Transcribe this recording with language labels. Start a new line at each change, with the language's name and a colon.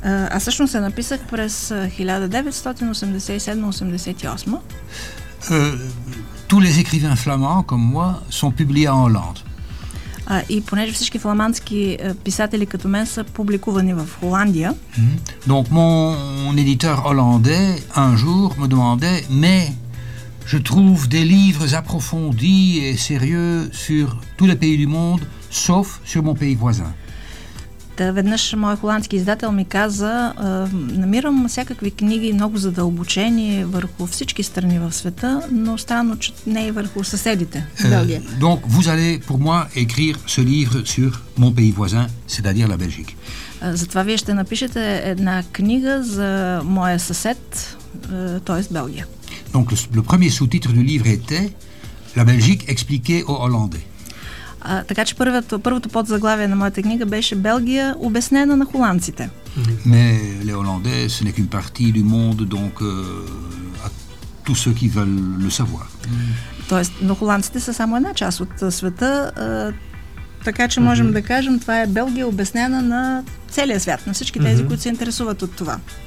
Bulgarian: Аз всъщност се написах през 1987-88.
French: Tous les écrivains flamands, comme moi, sont publiés en Hollande.
Bulgarian: И понеже всички фламандски писатели като мен са публикувани в Холандия.
French: Donc mon éditeur hollandais un jour me demandait mais je trouve des livres approfondis et sérieux sur tous les pays du monde sauf sur mon pays voisin.
Bulgarian: Та веднъж моят холандски издател ми каза, намирам всякакви книги много задълбочени върху всички страни в света, но странно, че не и върху съседите.
French: Donc vous allez pour moi écrire ce livre sur mon pays voisin, c'est-à-dire la Belgique.
Bulgarian: Затова вие ще напишете една книга за моя съсед, т.е. Белгия.
French: Donc le premier sous-titre du livre était La Belgique expliquée aux Hollandais.
Bulgarian: Така че първото подзаглавие на моята книга беше Белгия, обяснена на холандците.
French: Mais les Hollandais, ce n'est qu'une partie du monde, donc à tous ceux qui veulent le savoir.
Bulgarian: Тоест, но холандците са само една част от света, така че можем да кажем, това е Белгия, обяснена на целия свят, на всички тези, които се интересуват от това.